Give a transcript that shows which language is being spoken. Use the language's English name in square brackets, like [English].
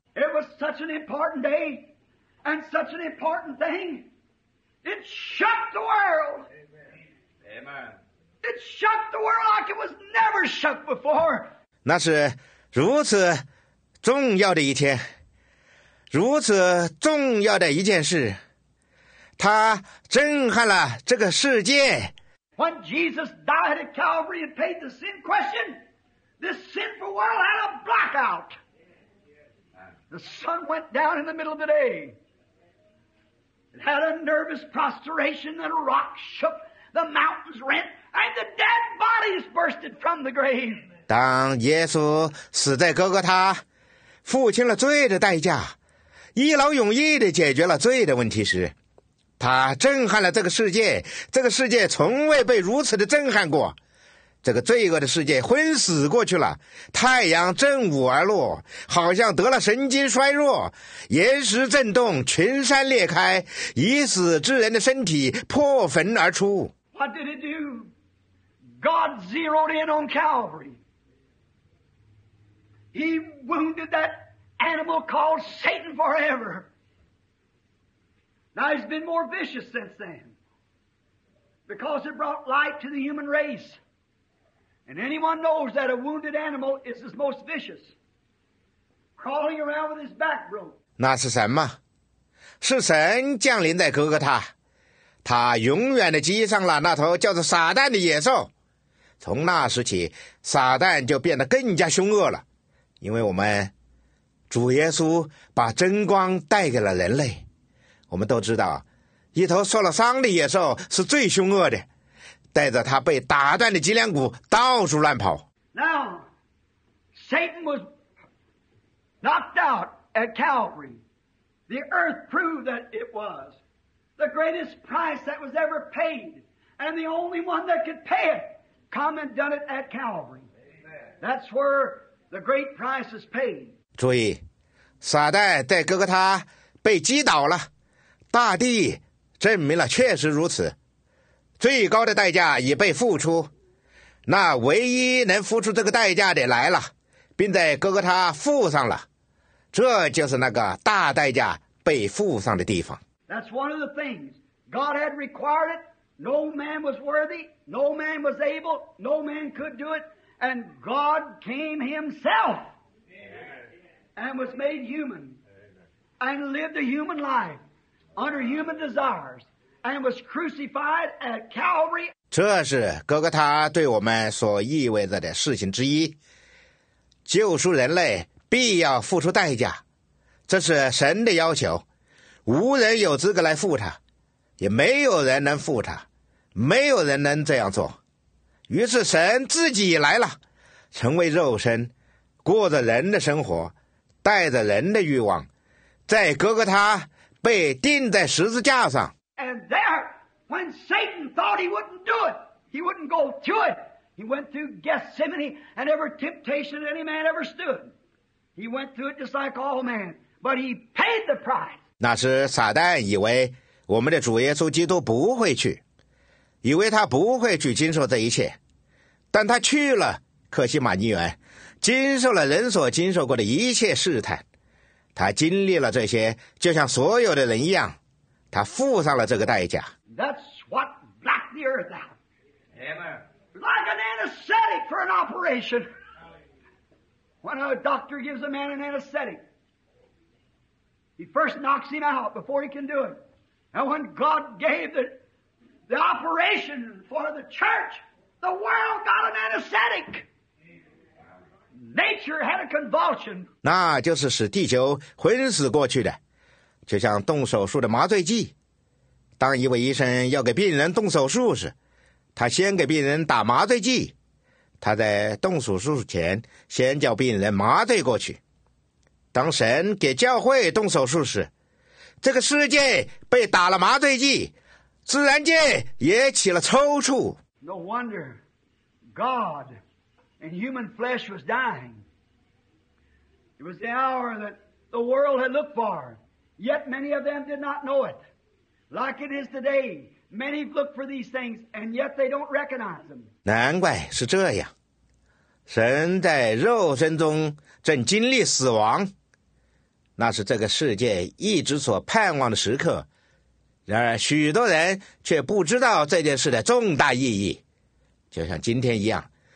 [English] It was such an important day and such an important thing. It shook the worldIt shook the world like it was never shook before. [Chinese] 那是如此重要的一天，如此重要的一件事，它震撼了这个世界。 [English] When Jesus died at Calvary and paid the sin question, this sinful world had a blackout. The sun went down in the middle of the day. It had a nervous prostration, and a rock shook, the mountains rent, and the dead bodies bursted from the grave. [Chinese] 当耶稣死在哥哥他，付清了罪的代价，一劳永逸地解决了罪的问题时，他震撼了这个世界，这个世界从未被如此的震撼过。这个罪恶的世界昏死过去了，太阳正午而落，好像得了神经衰弱，岩石震动，群山裂开，已死之人的身体破坟而出。 [English] What did it do? God zeroed in on Calvary. He wounded that animal called Satan forever. Now he's been more vicious since then, because it brought light to the human race. And anyone knows that a wounded animal is his most vicious, crawling around with his back broke. [Chinese] 那是什么？是神降临在哥哥他，他永远的击伤了那头叫做撒旦的野兽。从那时起，撒旦就变得更加凶恶了，因为我们主耶稣把真光带给了人类。我们都知道，一头受了伤的野兽是最凶恶的，带着他被打断的脊梁骨到处乱跑。 [English] Now, Satan was knocked out at Calvary. The earth proved that it was the greatest price that was ever paid, and the only one that could pay it come and done it at Calvary. That's where the great price is paid. [Chinese] 注意，撒旦在哥哥他被击倒了。大地证明了确实如此，最高的代价已被付出，那唯一能付出这个代价的来了，并在哥哥他付上了，这就是那个大代价被付上的地方。 [English] That's one of the things God had required it. No man was worthy, no man was able, no man could do it, and God came himself and was made human and lived a human lifeUnder human desires, and was crucified at Calvary. [Chinese] 这是哥哥他对我们所意味着的事情之一。救赎人类必要付出代价，这是神的要求，无人有资格来付他，也没有人能付他，没有人能这样做。于是神自己来了，成为肉身，过着人的生活，带着人的欲望，在哥哥他被钉在十字架上。 [English] And there, when Satan thought he wouldn't do it, he wouldn't go through it, he went through Gethsemane and every temptation any man ever stood. He went through it just like all men, but he paid the price. [Chinese] 那时撒旦以为我们的主耶稣基督不会去，以为他不会去经受这一切，但他去了，可惜马尼园，经受了人所经受过的一切试探。他经历了这些，就像所有的人一样，他付上了这个代价。 [English] That's what blacked the earth out. Amen. Like an anesthetic for an operation. When a doctor gives a man an anesthetic, he first knocks him out before he can do it. And when God gave the operation for the church, the world got an anesthetic. Nature had a convulsion. [Chinese] 那就是使地球昏死过去的，就像动手术的麻醉剂。当一位医生要给病人动手术时，他先给病人打麻醉剂，他在动手术前先叫病人麻醉过去。当神给教会动手术时，这个世界被打了麻醉剂，自然界也起了抽搐。 [English] No wonder GodAnd human flesh was dying. It was the hour that the world had looked for. Yet many of them did not know it. Like it is today, many look for these things, and yet they don't recognize them. [Chinese] 难怪是这样。神在肉身中正经历死亡，那是这个世界一直所盼望的时刻。然而许多人却不知道这件事的重大意义，就像今天一样。